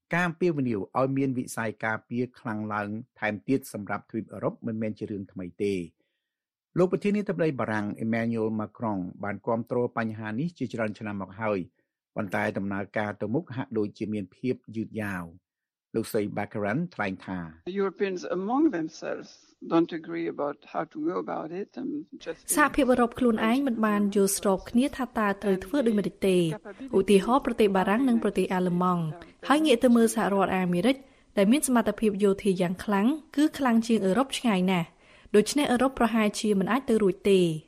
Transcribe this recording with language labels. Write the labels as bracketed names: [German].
[Khmer] ការពៀវនីវឲ្យមានវិស័យការពារខ្លាំងឡើងថែមទៀតសម្រាប់ទ្វីបអឺរ៉ុបមិនមែនជារឿងថ្មីទេលោកប្រធានាធិបតីបារាំង Emmanuel Macron បានគាំទ្របញ្ហានេះជាច្រើនឆ្នាំមកហើយប៉ុន្តែដំណើរការទៅមុខហាក់ដូចជាមានភាពយឺតយ៉ាវលោកសេបាការ៉ាន់ថ្លែងថា [English] The Europeans among themselves don't agree about how to go about it and just [Khmer] សហភាពអឺរ៉ុបខ្លួនឯងមិនបានយល់ស្របគ្នាថាតើត្រូវធ្វើដូចម្តេចទេឧទាហរណ៍ប្រទេសបារាំងនិងប្រទេសអាល្លឺម៉ង់ហើយងាកទៅមើលសហរដ្ឋអាមេរិកដែលមានសមត្ថភាពយោធាយ៉ាងខ្លាំងគឺខ្លាំងជាងអឺរ៉ុបឆ្ងាយណាស់ដូច្នេះអឺរ៉ុបប្រហែលជាមិនអាចទៅរួចទេ